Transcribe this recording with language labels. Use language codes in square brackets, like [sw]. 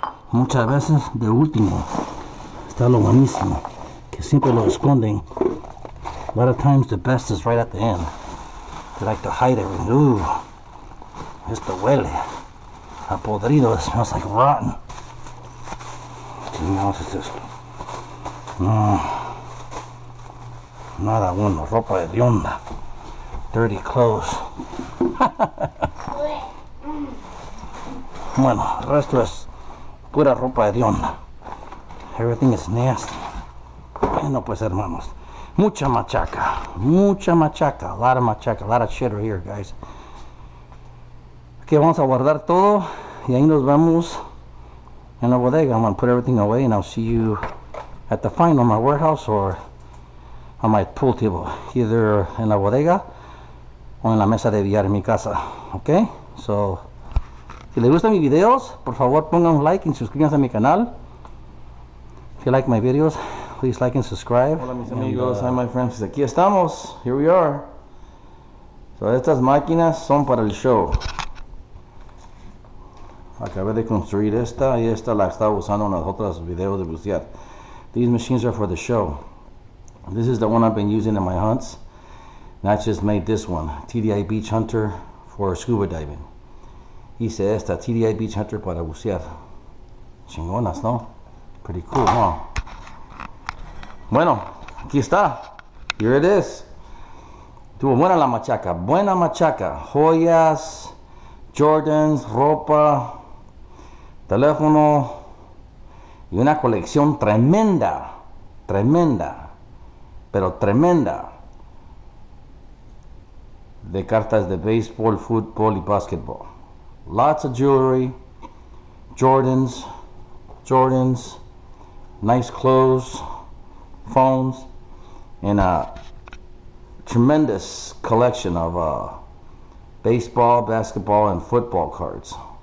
[es] Muchas veces, de último, está lo buenísimo, que siempre lo esconden. [en] A lot of times, the best is right at the end. They like to hide everything. [es] Ooh, esto huele. A podrido, [en] it smells like rotten. [es] Es esto. No. Nada bueno, ropa de onda. [en] Dirty clothes. [es] Bueno, el resto es pura ropa de onda. [en] Everything is nasty. [es] Bueno, pues hermanos, mucha machaca. Mucha machaca. [en] A lot of machaca. A lot of cheddar here, guys. [es] Aquí vamos a guardar todo y ahí nos vamos. [en] In the bodega, I'm going to put everything away and I'll see you at the final, my warehouse or on my pool table. Either in the bodega or [es] en la mesa de billar en mi casa. Okay? So, si les gustan mis videos, por favor pongan un like y suscríbanse a mi canal. [en] If you like my videos, please like and subscribe. [es] Hola mis amigos, [en] hi my friends. [es] Aquí estamos. [en] Here we are. [es] So, estas máquinas son para el show. Acabé de construir esta y esta la estaba usando en los otros videos de bucear. [en] These machines are for the show. This is the one I've been using in my hunts. And I just made this one, TDI Beach Hunter for scuba diving. [es] Hice esta, TDI Beach Hunter para bucear. Chingonas, ¿no? [en] Pretty cool, huh? [es] Bueno, aquí está. [en] Here it is. [es] Tuvo buena la machaca, buena machaca. Joyas, Jordans, ropa. Teléfono y una colección tremenda, tremenda, pero tremenda de cartas de béisbol, fútbol y básquetbol. [en] Lots of jewelry, Jordans, nice clothes, phones, and a tremendous collection of baseball, basketball, and football cards.